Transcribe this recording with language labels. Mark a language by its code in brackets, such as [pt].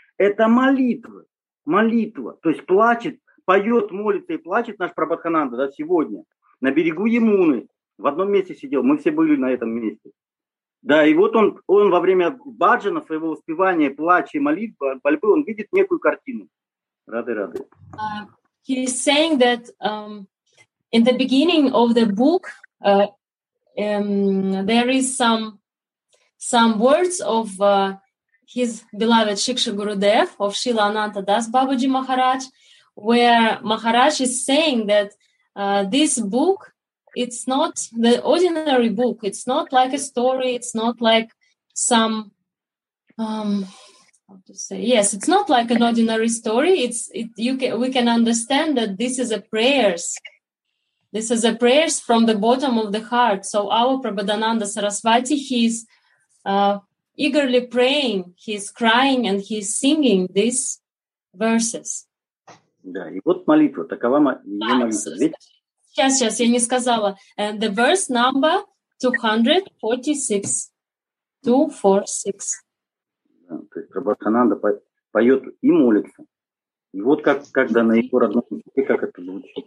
[ru] Это молитва, молитва. То есть плачет, поет, молится и плачет наш Прабхатхананда, да, сегодня. На берегу Ямуны в одном месте сидел, мы все были на этом месте. Да, и вот он во время баджана, своего успевания, плача и молитвы, борьбы, он видит некую картину. Рады-рады. [en] He is saying that in the beginning of the book there is some words of his beloved Shiksha Gurudev, of Srila Ananta Das Babaji Maharaj, where Maharaj is saying that this book, it's not the ordinary book, it's not like a story, it's not like some how to say, yes, it's not like an ordinary story. We can understand that this is a prayers. This is a prayers from the bottom of the heart. So our Prabhadananda Sarasvati, he's eagerly praying, he's crying, and he's singing these verses. [ru] Да, и вот молитва, такова молитва. Сейчас, сейчас, я не сказала. [en] And the verse number 246. 246. [ru] То есть Прабхатхананда поет и молится. И вот как да, на его родном языке, как это звучит.